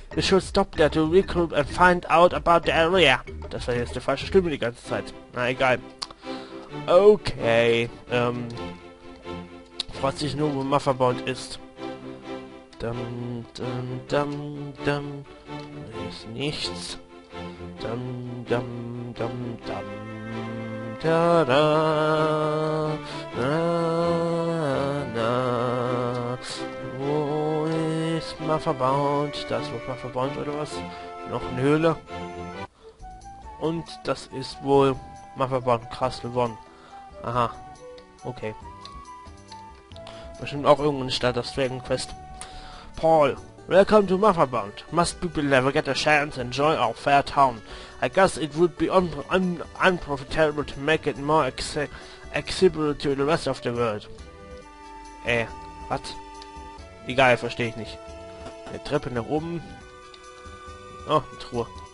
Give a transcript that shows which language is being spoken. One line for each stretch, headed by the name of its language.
English: You should stop there to recruit and find out about the area.
German: Das war jetzt die falsche Stimme die ganze Zeit. Na egal. Okay. Freut sich nur, wo Mother Bond ist. Dum, dum, dum, dum. Da ist nichts. Dum, dum, dum, dum. Da, da, da, da. Wo ist Mother Bond? Da ist wohl Mother Bond oder was? Noch eine Höhle. Und das ist wohl Mother Bond Castle One. Aha. Okay. Bestimmt auch irgendwo in Stadt aus Dragon Quest.
English: Paul, welcome to Motherbound. Must people never get a chance to enjoy our fair town. I guess it would be unprofitable to make it more accessible to the rest of the world.
German: Was? Egal, verstehe ich nicht. Eine Treppe nach oben. Oh, eine Truhe.